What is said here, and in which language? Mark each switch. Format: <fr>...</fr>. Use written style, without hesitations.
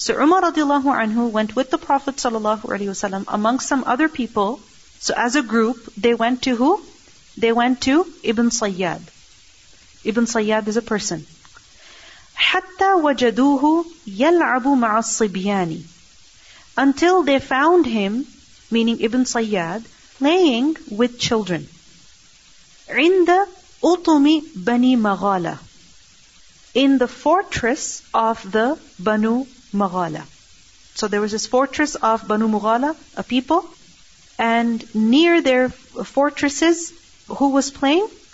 <en>So Umar radiallahu anhu went with the Prophet sallallahu alaihi wasallam among some other people. So as a group, they went to who? They went to Ibn Sayyad. Ibn Sayyad is a person.</en> <ar>حتى وجدوه يلعب مع الصبيان.</ar> <en>Until they found him, meaning Ibn Sayyad, playing with children.</en> <ar>عند أطم بني مغالة.</ar> <en>In the fortress of the Banu Mughala. So there was this fortress of Banu Mughala, a people, and near their fortresses, who was playing?</en>